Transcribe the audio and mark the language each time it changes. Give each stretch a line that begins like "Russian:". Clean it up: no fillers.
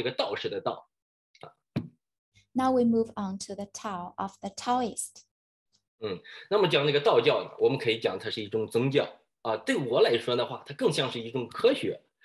Chinese: 那我们来讲这个，这是就我们就大致讲一下，我们留更多的这个空间，然后大家也来等下来回来，就是来这个聊这个问题。那我们现在讲这个道士的道。
English: Now we move on to the Tao of the Taoist.
Chinese: 那么讲这个道教呢，我们可以讲它是一种宗教。对我来说的话，它更像是一种科学。